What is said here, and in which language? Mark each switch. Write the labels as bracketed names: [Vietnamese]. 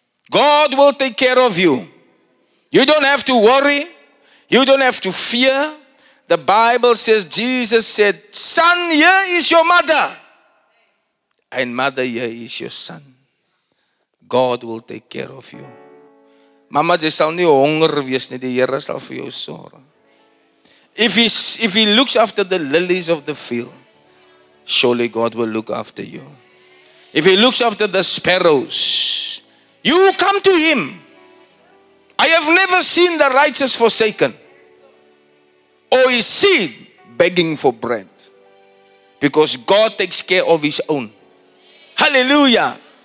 [English] God will take care of you. You don't have to worry. You don't have to fear. The Bible says, Jesus said, son, here is your mother. And mother, here is your son. God will take care of you. [Afrikaans] Mama, jy sal nie honger wees nie. Die Here sal vir jou sorg. [English] If he looks after the lilies of the field, surely God will look after you. If he looks after the sparrows, you come to him. I have never seen the righteous forsaken or his seed begging for bread, because God takes care of his own. Hallelujah.